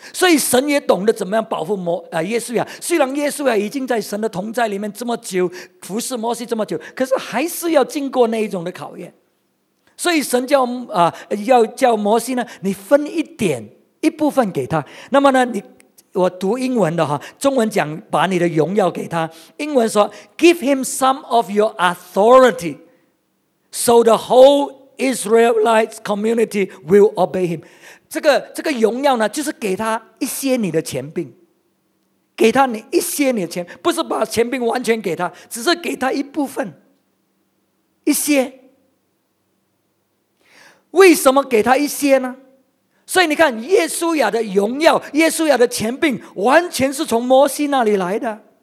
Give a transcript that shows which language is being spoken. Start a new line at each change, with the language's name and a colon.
Chinese: 所以神也懂得怎么样保护耶稣亚。虽然耶稣亚已经在神的同在里面这么久，服侍摩西这么久，可是还是要经过那一种的考验。所以神叫要叫摩西呢，你分一点一部分给他。那么呢，你我读英文的哈，中文讲把你的荣耀给他。英文说
English: ，Give him some of your authority, so the whole Israelite community will obey him。
Chinese: 这个荣耀呢，就是给他一些你的权柄，给他你一些你的权，不是把权柄完全给他，只是给他一部分，一些。为什么给他一些呢？所以你看，耶稣亚的荣耀，耶稣亚的权柄，完全是从摩西那里来的。